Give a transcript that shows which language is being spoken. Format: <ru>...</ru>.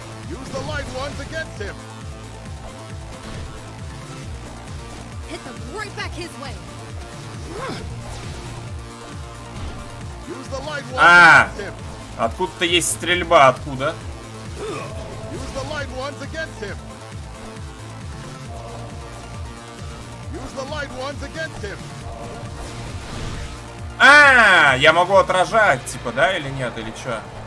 <en>Use the light ones against him. Hit them right back his way. Use the light ones against him.</en> <ru>Откуда-то есть стрельба, откуда?</ru> <en>Use the light ones against him. Use the light ones against him.</en> <ru>Я могу отражать, типа, да, или нет, или чё?</ru>